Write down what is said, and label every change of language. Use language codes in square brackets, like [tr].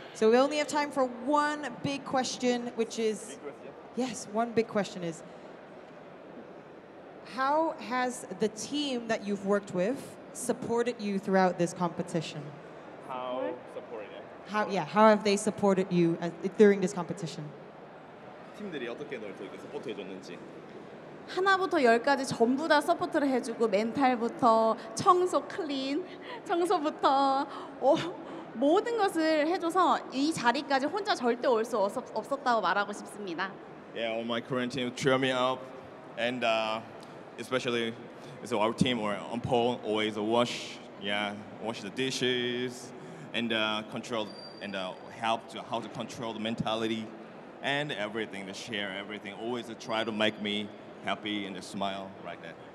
[en] So we only have time for one big question, which is... Yes, one big question is... How has the team that you've worked with supported you throughout this competition? How supported? How, yeah, how have they supported you during this competition? [ko] 팀들이 어떻게 널 이렇게 서포트 해줬는지. 하나부터 열까지 전부 다 서포트를 해주고 멘탈부터 청소 클린 청소부터 모든 것을 해줘서 이 자리까지 혼자 절대 올 수 없었다고 말하고 싶습니다. [en] Yeah, all my Korean team cheer me up and especially so our team or on pole always wash wash the dishes and control and help to how to control the mentality and everything to share everything always try to make me happy and a smile right there.